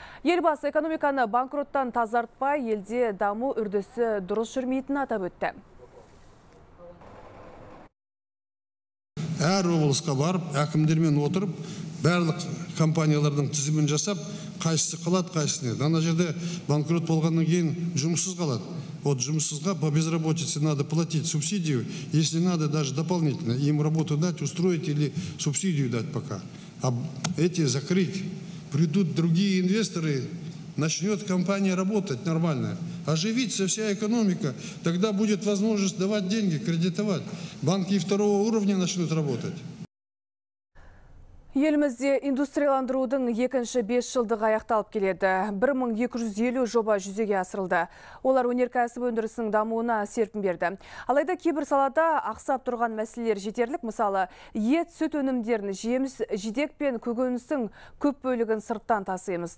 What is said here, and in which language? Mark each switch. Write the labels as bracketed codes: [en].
[kk] Елбасы экономиканы банкроттан тазартпай, елде даму үрдісі дұрыс жүрмейтінін атап өтті. Әр облысқа барып, әкімдермен отырып, барлық компаниялардың тізімін жасап, қайсы қалады қайсыне. Ана жерде банкрот болғаннан кейін жұмыссыз қалады. [ru] Вот жұмыссызға по безработице надо платить субсидию, если надо даже дополнительно им работу дать, устроить или субсидию дать пока. А эти закрыть. Придут другие инвесторы, начнет компания работать нормально. Оживится вся экономика, тогда будет возможность давать деньги, кредитовать. Банки второго уровня начнут работать. [kk] Елімізде индустрияландырудың екінші 5 жылдығы аяқталып келеді. 1250 жоба жүзеге асырылды. Олар өнеркәсіп өндірісінің дамуына серпін берді. Алайда кейбір салада ақсап тұрған мәселелер жетерлік. Мысалы, ет, сүт өнімдерін, жеміс, жидек пен көкөністің көп бөлігін сырттан тасыймыз.